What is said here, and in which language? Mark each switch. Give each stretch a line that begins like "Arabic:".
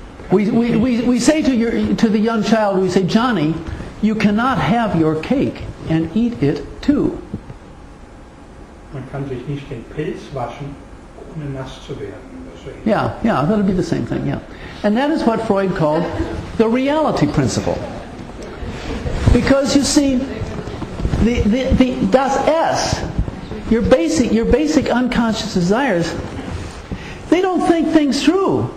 English: We say to the young child, we say, Johnny, you cannot have your cake and eat it too.
German: Man kann sich nicht den Pilz waschen, ohne nass zu werden.
English: Yeah, that'll be the same thing, yeah. And that is what Freud called the reality principle. Because you see, the das S, your basic unconscious desires, they don't think things through.